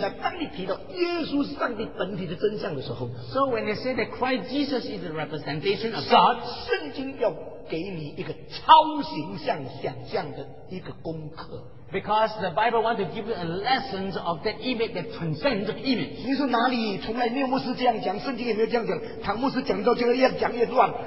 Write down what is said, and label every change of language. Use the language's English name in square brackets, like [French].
[Chinese] 那当你提到耶稣是上帝本体的真相的时候 [English] ，So when they say that Christ Jesus is the representation of God， [Chinese] 圣经要给你一个超形象想象的一个功课。 [English] Because the Bible wants to give you a lesson of that image that transcends the image. [Chinese] 你说哪里从来没有牧师这样讲，圣经也没有这样讲，唐牧师讲到这个越讲越乱。